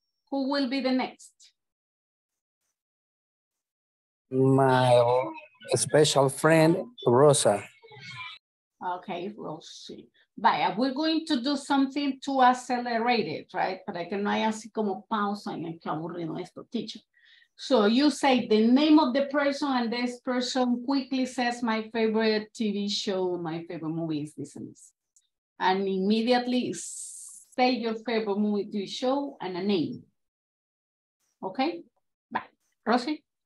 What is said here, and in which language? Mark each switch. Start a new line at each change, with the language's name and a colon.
English: Who will be the next? My special friend, Rosa. Okay, Rosie. Vaya, we're going to do something to accelerate it, right?
Spanish: Para que no haya así como pausa en el que aburrido esto, teacher.
English: So you say the name of the person and this person quickly says my favorite TV show, my favorite movie is this and this. And immediately say your favorite movie, TV show and a name. Okay, bye. Rosie?